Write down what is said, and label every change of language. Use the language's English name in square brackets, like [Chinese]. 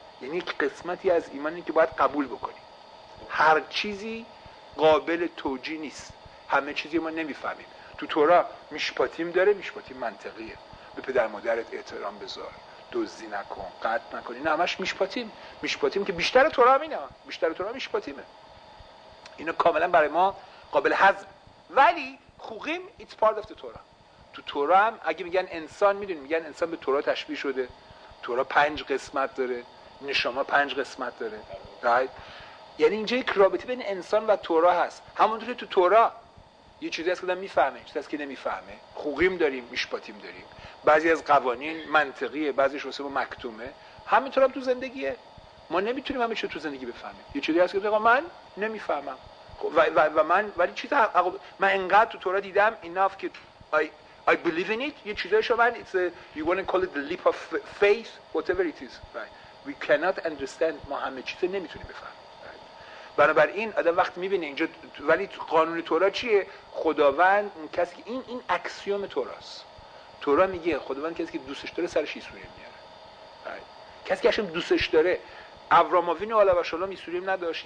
[Persian] یعنی یک قسمتی از ایمانی که باید قبول بکنی، هر چیزی قابل توجیه نیست، همه چیزی ما نمیفهمیم. تو تورا میشپاتیم داره، میشپاتیم منطقیه، به پدر مادرت احترام بذار، دزدی نکن، قتل نکن، اینا همش میشپاتیم، میشپاتیم که بیشتر تورا همینه، بیشتر تورا میشپاتیمه، اینا کاملا برای ما قابل هضم. ولی خوقیم [English] it's part of the [Persian] تورا. تو تورا هم اگه میگن انسان، میدونی میگن انسان به تورا تشبیه شده، تورا 5 قسمت داره، نشما 5 قسمت داره، right؟ یعنی اینجا یک رابطه بین انسان و تورا هست. همونطور که تو تورا یه چیزی هست که آدم میفهمه، چیزی هست که نمیفهمه. خوقیم داریم، میشپاتیم داریم. بعضی از قوانین منطقیه، بعضیش واسه ما مکتومه. همینطور هم تو زندگیه. ما نمیتونیم همه چیو تو زندگی بفهمیم. یه چیزی هست که بگم من نمیفهمم. و من ولی چی من انقدر تو تورا دیدم enough که [English] I believe in it. [Persian] یه چیزی شو من [English] you want to call it the leap of faith, whatever it is. Right. We cannot understand. [Persian] ما همه چیز رو نمیتونیم بفهمیم. بنابراین آدم وقتی میبینه اینجا، ولی قانون تورا چیه؟ خداوند اون کسی که این اکسیوم توراست. تورا میگه خداوند کسی که دوستش داره سرش ایسوریم میاره. کسی که هاشم دوستش داره. ابراماوین و علاوه شالام ایسوریم نداشت.